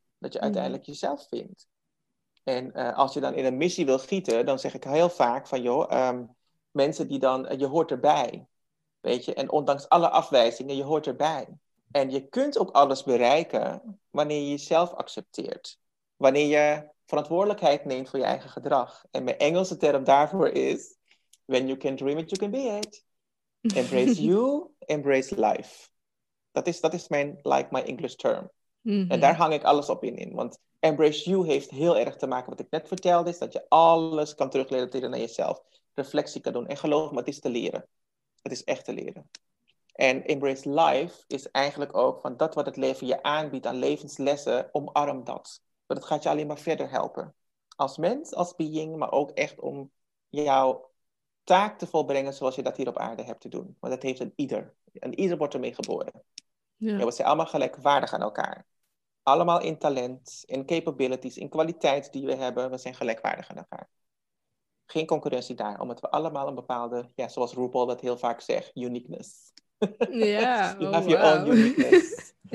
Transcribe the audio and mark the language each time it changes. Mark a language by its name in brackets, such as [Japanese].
[Dutch] Dat je uiteindelijk jezelf vindt. En als je dan in een missie wil gieten, dan zeg ik heel vaak van, joh, mensen die dan, je hoort erbij. Weet je, en ondanks alle afwijzingen, je hoort erbij. En je kunt ook alles bereiken wanneer je jezelf accepteert. Wanneer je verantwoordelijkheid neemt voor je eigen gedrag. En mijn Engelse term daarvoor is, [English] when you can dream it, you can be it. Embrace you, embrace life. [Dutch] Dat is mijn, [English] like my English term. [Dutch] En daar hang ik alles op in. Want embrace you heeft heel erg te maken met wat ik net vertelde, is dat je alles kan terugrelateren naar jezelf. Reflectie kan doen. En geloof me, het is te leren. Het is echt te leren. En embrace life is eigenlijk ook van dat wat het leven je aanbiedt aan levenslessen, omarm dat. Want het gaat je alleen maar verder helpen. Als mens, als being, maar ook echt om jouw taak te volbrengen zoals je dat hier op aarde hebt te doen. Want dat heeft een ieder. En ieder wordt ermee geboren. En we zijn allemaal gelijkwaardig aan elkaar. Allemaal in talent, in capabilities, in kwaliteit die we hebben. We zijn gelijkwaardig aan elkaar. Geen concurrentie daar, omdat we allemaal een bepaalde, ja, zoals RuPaul dat heel vaak zegt, uniqueness. [English] You have your own uniqueness.